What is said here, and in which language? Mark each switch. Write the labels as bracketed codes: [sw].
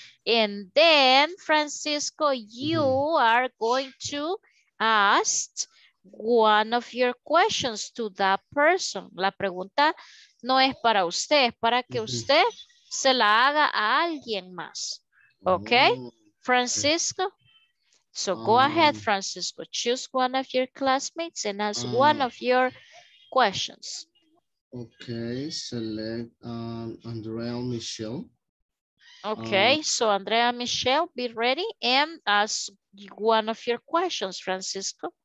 [en] And then, Francisco, you are going to ask one of your questions to that person. [es] La pregunta no es para usted, es para que usted se la haga a alguien más. [en] Ok, Francisco. So go ahead, Francisco. Choose one of your classmates and ask one of your questions. Ok, select Andrea Michelle. Ok, so Andrea Michelle, be ready and ask one of your questions, Francisco.